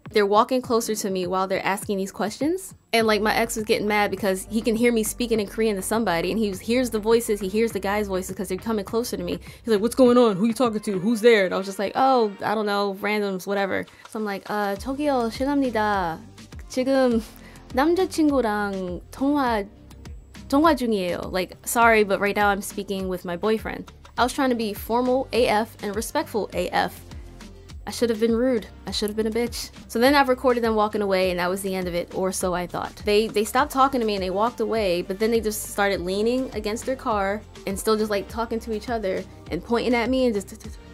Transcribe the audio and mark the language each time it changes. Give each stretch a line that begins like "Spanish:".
English: They're walking closer to me while they're asking these questions. And like, my ex was getting mad because he can hear me speaking in Korean to somebody. And he hears the voices, he hears the guy's voices because they're coming closer to me. He's like, what's going on? Who are you talking to? Who's there? And I was just like, oh, I don't know, randoms, whatever. So I'm like,
Korean: 저기요, 죄송합니다. 지금 남자친구랑 통화 중이에요.
English: Like, sorry, but right now I'm speaking with my boyfriend. I was trying to be formal AF and respectful AF. I should have been rude. I should have been a bitch. So then I've recorded them walking away and that was the end of it, or so I thought. They stopped talking to me and they walked away, but then they just started leaning against their car and still just like talking to each other and pointing at me and just...